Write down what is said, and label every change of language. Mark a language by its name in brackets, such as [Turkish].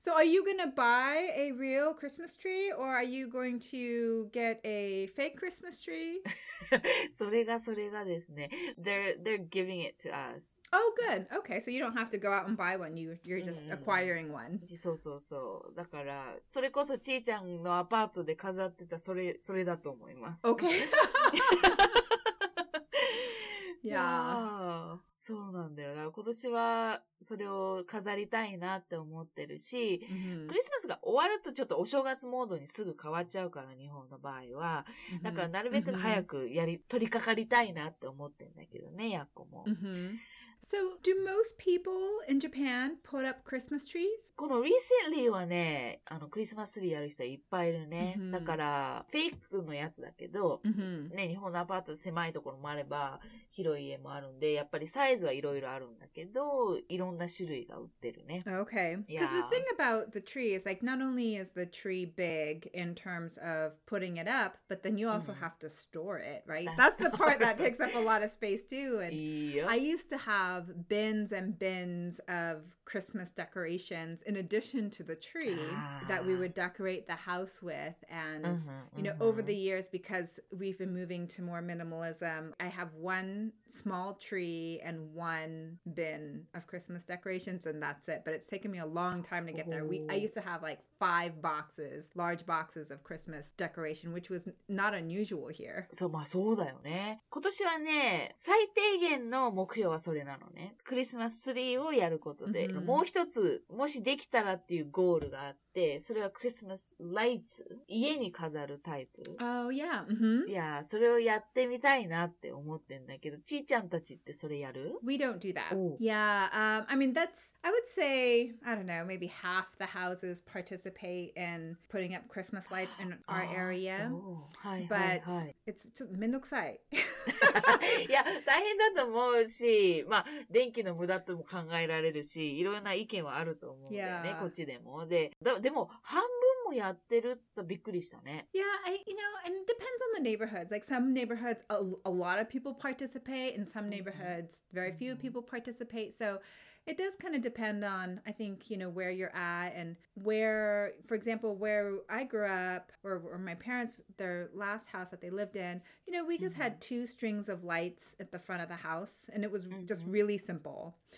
[English] So are you gonna buy a real Christmas tree, or are you going to get a fake Christmas tree? [Japanese] それがですね。 [English] They're giving it to us. Oh, good. Okay, so you don't have to go out and buy one. You're just acquiring one. [Japanese] そうそうそう。だから、それこそちーちゃんのアパートで飾ってたそれだと思います。 [English] Okay. [Japanese] Yeah. そうなんだよ。だから今年はそれを飾りたいなって思ってるし、mm-hmm. クリスマスが終わるとちょっとお正月モードにすぐ変わっちゃうから、日本の場合は。だからなるべく早くmm-hmm. 取り掛かりたいなって思ってるんだけどね、やっこも。 Mm-hmm. [English] So, do most people in Japan put up Christmas trees? [Japanese] この recently はね、クリスマスツリーやる人はいっぱいいるね。Mm-hmm. だから、フェイクのやつだけど、 mm-hmm. ね、日本のアパート狭いところもあれば、広い家もあるんで、やっぱりサイズはいろいろあるんだけど、いろんな種類が売ってるね。 [English] Okay. Because the thing about the tree is like, not only is the tree big in terms of putting it up, but then you also have to store it, right? That's the part that takes up a lot of space too. And I used to have bins and bins of Christmas decorations in addition to the tree that we would decorate the house with. And, you know, over the years, because we've been moving to more minimalism, I have one small tree and one bin of Christmas decorations and that's it. But it's taken me a long time to get there. I used to have like five boxes, large boxes of Christmas decoration, which was not unusual here. [Japanese] そう、まあそうだよね。今年はね、最低限の目標はそれなのね。クリスマスツリーをやることで、mm-hmm. もう一つ、もしできたらっていうゴールがあって、って、それはクリスマスライツ、家に飾るタイプ。 [English] Oh, yeah. Mm-hmm. [Japanese] いや、それをやってみたいなって思ってんだけど、ちーちゃんたちってそれやる？ [English] We don't do that. Yeah, I mean, that's, I would say, I don't know, maybe half the houses participate in putting up Christmas lights in our area. But it's [Japanese] めんどくさい。いや、大変だと思うし、まあ、電気の無駄とも考えられるし、いろんな意見はあると思うんだよね、こっちでも。で、でも、半分もやってるとびっくりしたね。 [English] Yeah, you know, and it depends on the neighborhoods. Like, some neighborhoods, a lot of people participate, and some neighborhoods, very few people participate. So, it does kind of depend on, I think, you know, where you're at, and where, for example, where I grew up, or my parents, their last house that they lived in, you know, we just had two strings of lights at the front of the house, and it was just really simple.